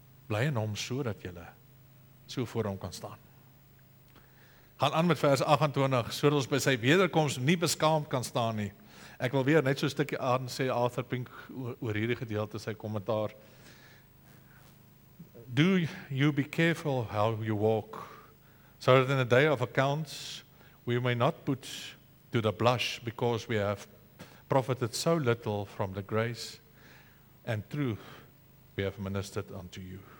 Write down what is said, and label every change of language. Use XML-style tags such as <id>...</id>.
<af>Bly in hom so dat julle so voor hom kan staan. Gaan aan met vers 28, so dat ons by sy wederkoms nie beskaamd kan staan nie. Ek wil weer net so 'n stukkie aan sê Arthur Pink oor hierdie gedeelte sy kommentaar.</af> <en>Do you be careful how you walk, so that in the day of accounts we may not put to the blush because we have profited so little from the grace and truth we have ministered unto you.</en>